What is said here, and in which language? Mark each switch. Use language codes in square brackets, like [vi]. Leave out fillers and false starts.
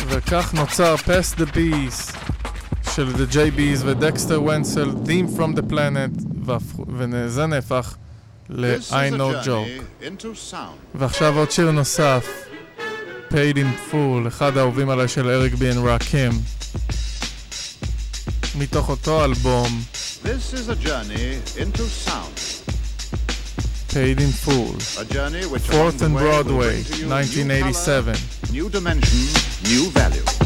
[he] כך נוצר Pass the Bees של The JBs ודקסטר ונסל, Theme from the Planet, וזה נהפך ל-I Know Joke. ועכשיו עוד שיר נוסף, Paid in Full, אחד האהובים עליי של אריק בי ורקים, מתוך אותו אלבום. [en] This is a journey into sound. Paid in Full. A journey which Fourth and Broadway, 1987. New color, new dimension, new value.